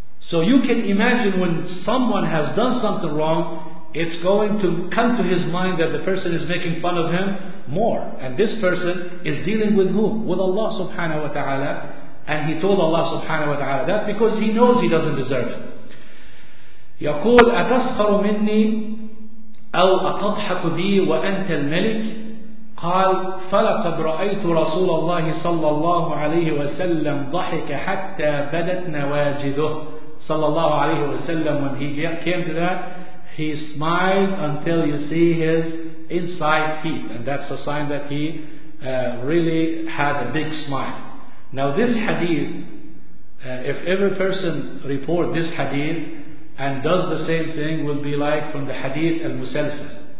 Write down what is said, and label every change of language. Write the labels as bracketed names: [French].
[English] So you can imagine when someone has done something wrong, it's going to come to his mind that the person is making fun of him more. And this person is dealing with whom? With Allah subhanahu wa ta'ala. And he told Allah subhanahu wa ta'ala that because he knows he doesn't deserve it. [Arabic] يقول أتسخر مني أو أتضحك بي وأنت الملك. قال فلقد رأيت رسول الله صلى الله عليه وسلم ضحك حتى بدت نواجذه. صلى الله عليه وسلم, [English] when he came to that, he smiled until you see his inside teeth, and that's a sign that he really had a big smile. Now this hadith, if every person report this hadith and does the same thing, will be like from the hadith al-musalsal.